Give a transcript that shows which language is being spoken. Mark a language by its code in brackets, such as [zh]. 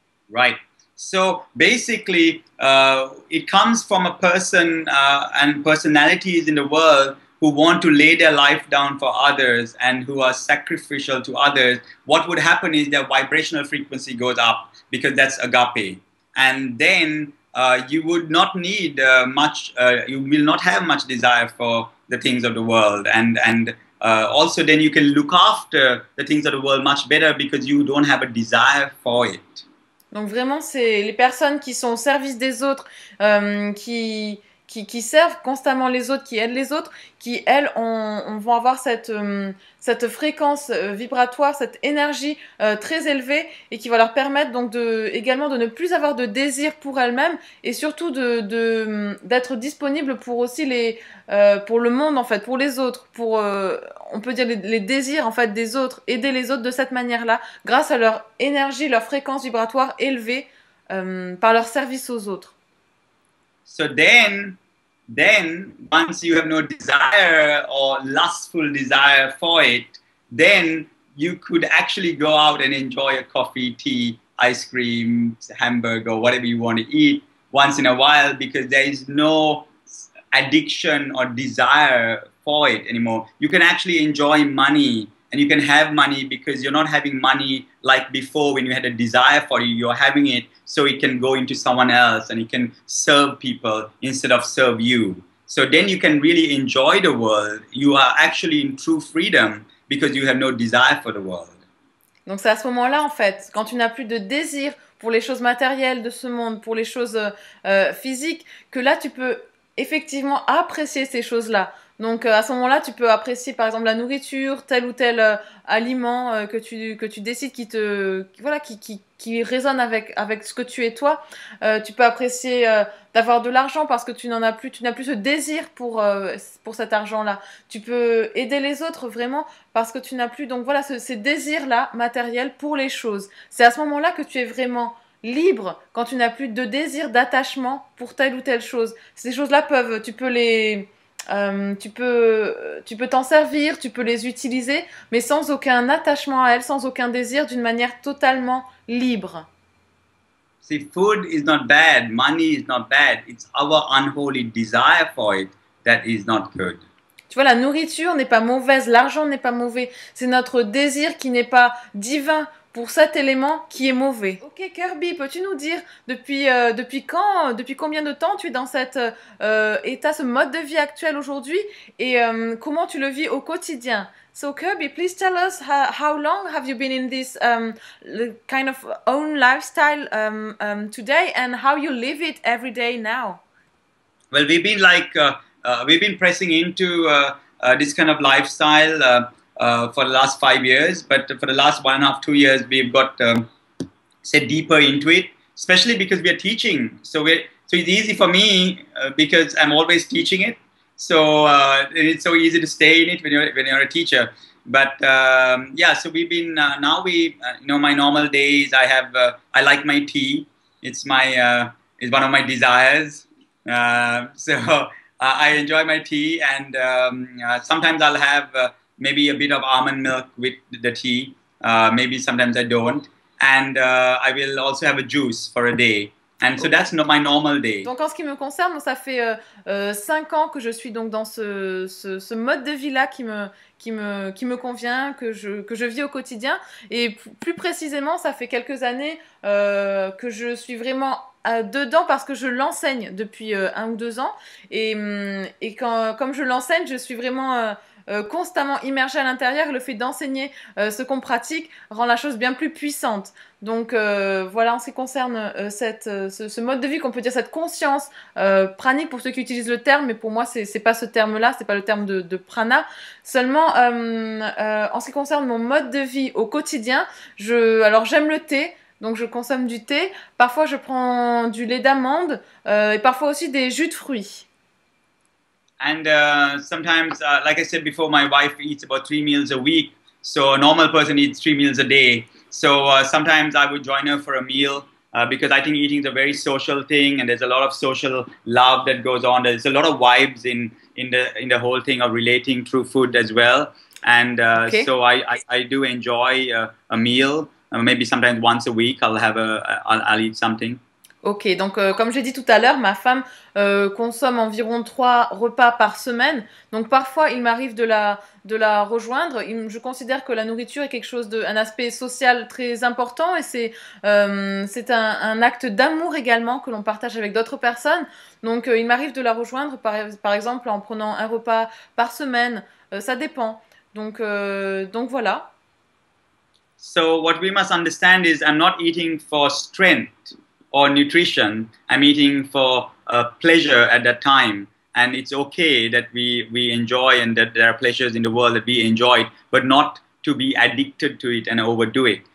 [en] Right. So basically, it comes from a person and personalities in the world who want to lay their life down for others and who are sacrificial to others, what would happen is their vibrational frequency goes up because that's agape. And then you would not need much, you will not have much desire for the things of the world. And also then you can look after the things of the world much better because you don't have a desire for it. [fr] Donc vraiment, c'est les personnes qui sont au service des autres, qui servent constamment les autres, qui aident les autres, qui, elles, vont avoir cette fréquence vibratoire, cette énergie très élevée et qui va leur permettre donc également de ne plus avoir de désir pour elles-mêmes et surtout d'être disponible pour aussi pour le monde, en fait, pour les autres, pour, on peut dire, les désirs, en fait, des autres, aider les autres de cette manière-là grâce à leur énergie, leur fréquence vibratoire élevée par leur service aux autres. [en] So then once you have no desire or lustful desire for it, then you could actually go out and enjoy a coffee, tea, ice cream, hamburger, or whatever you want to eat once in a while because there is no addiction or desire for it anymore. You can actually enjoy money and you can have money because you're not having money like before when you had a desire for it, you're having it. So it can go into someone else and it can serve people instead of serve you. So then you can really enjoy the world. You are actually in true freedom because you have no desire for the world. [fr] Donc c'est à ce moment-là, en fait, quand tu n'as plus de désir pour les choses matérielles de ce monde, pour les choses physiques, que là tu peux effectivement apprécier ces choses-là. Donc à ce moment-là, tu peux apprécier par exemple la nourriture, tel ou tel aliment que tu décides qui résonne avec ce que tu es toi. Tu peux apprécier d'avoir de l'argent parce que tu n'as plus ce désir pour cet argent-là. Tu peux aider les autres vraiment parce que tu n'as plus donc voilà ces désirs-là matériels pour les choses. C'est à ce moment-là que tu es vraiment libre quand tu n'as plus de désir d'attachement pour telle ou telle chose. Ces choses-là peuvent tu peux les tu peux t'en servir, tu peux les utiliser, mais sans aucun attachement à elles, sans aucun désir, d'une manière totalement libre. [en] See, food is not bad, money is not bad, it's our unholy desire for it that is not good. [fr] Tu vois, la nourriture n'est pas mauvaise, l'argent n'est pas mauvais, c'est notre désir qui n'est pas divin pour cet élément qui est mauvais. Ok, Kirby, peux-tu nous dire depuis combien de temps tu es dans cet état, ce mode de vie actuel aujourd'hui et comment tu le vis au quotidien? [en] So Kirby, please tell us how long have you been in this kind of own lifestyle today and how you live it every day now? Well, we've been like, we've been pressing into this kind of lifestyle for the last 5 years, but for the last 1.5-2 years, we've got set deeper into it, especially because we are teaching. So it's easy for me because I'm always teaching it. So it's so easy to stay in it when you're a teacher. But yeah, so we've been now we you know my normal days. I have I like my tea. It's my it's one of my desires. I enjoy my tea, and sometimes I'll have maybe a bit of almond milk with the tea. Maybe sometimes I don't. And I will also have a juice for a day. And so that's not my normal day. [fr] Donc en ce qui me concerne, ça fait 5 ans que je suis donc dans ce mode de vie-là qui me convient, que je vis au quotidien. Et plus précisément, ça fait quelques années que je suis vraiment dedans parce que je l'enseigne depuis 1 ou 2 ans. Et comme je l'enseigne, je suis vraiment constamment immergée à l'intérieur. Le fait d'enseigner ce qu'on pratique rend la chose bien plus puissante. Donc voilà en ce qui concerne ce mode de vie qu'on peut dire, cette conscience pranique pour ceux qui utilisent le terme, mais pour moi c'est pas ce terme-là, c'est pas le terme de prana. Seulement en ce qui concerne mon mode de vie au quotidien, alors j'aime le thé, donc je consomme du thé. Parfois je prends du lait d'amande et parfois aussi des jus de fruits. [en] And sometimes, like I said before, my wife eats about 3 meals a week. So a normal person eats 3 meals a day. So sometimes I would join her for a meal because I think eating is a very social thing, and there's a lot of social love that goes on. There's a lot of vibes in the whole thing of relating through food as well. And okay. So I do enjoy a meal. Maybe sometimes once a week I'll eat something. [fr] Ok, donc comme j'ai dit tout à l'heure, ma femme consomme environ 3 repas par semaine. Donc parfois, il m'arrive de la rejoindre. Je considère que la nourriture est quelque chose d'un aspect social très important, et c'est un acte d'amour également que l'on partage avec d'autres personnes. Donc il m'arrive de la rejoindre par exemple en prenant 1 repas par semaine. Ça dépend. Donc voilà. [en] So what we must understand is I'm not eating for strength or nutrition. I'm eating for pleasure at that time, and it's okay that we enjoy, and that there are pleasures in the world that we enjoy, but not to be addicted to it and overdo it.